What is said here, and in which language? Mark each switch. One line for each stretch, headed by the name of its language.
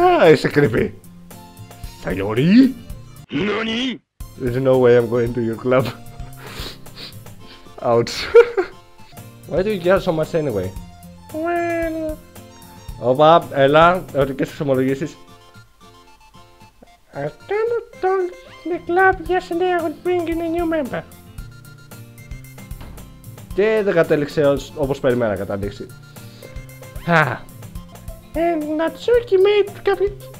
Greek: Είσαι creepy.
English: Sayori?
Japanese: Nani?
English: There's no way I'm going to your club. Ouch. Why do you care so much anyway? Well...
Greek: Όπα, έλα, ερωτικές εξομολογήσεις.
English: I kind of told the club yesterday I would bring in a new member.
Greek: Και δεν κατέληξε όπως περιμένα να κατάληξει.
English: And Natsuki made
Greek: κάποιο...